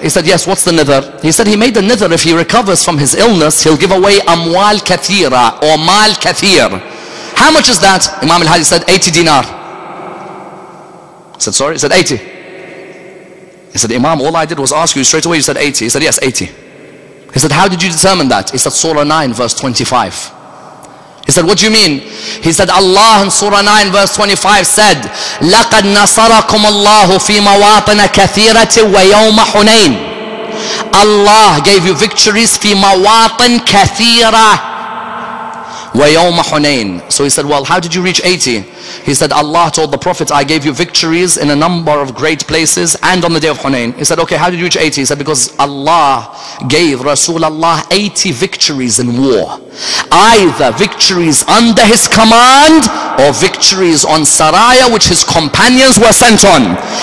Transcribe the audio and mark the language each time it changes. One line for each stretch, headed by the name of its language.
English: He said, yes, what's the nidhar? He said, he made a nidhar. If he recovers from his illness, he'll give away amwal kathira or mal kathir. How much is that? Imam al-Hadi said, 80 dinar. He said, 80. He said, Imam, all I did was ask you straight away. You said 80. He said, yes, 80. He said, how did you determine that? He said, Surah 9, verse 25. He said, what do you mean? He said, Allah in Surah 9 verse 25 said,
Arabic: لَقَدْ نَصَرَكُمُ اللَّهُ فِي مَوَاطِنَ كَثِيرَةٍ وَيَوْمَ حُنَيْنَ.
English: Allah gave you victories
Arabic: في مَوَاطِن كَثِيرَةٍ وَيَوْمَ حُنَيْنَ.
English: So he said, well, how did you reach 80? He said, Allah told the Prophet, I gave you victories in a number of great places and on the day of Hunayn. He said, okay, how did you reach 80? He said, because Allah gave Rasulullah 80 victories in war. Either victories under his command or victories on Saraya, which his companions were sent on.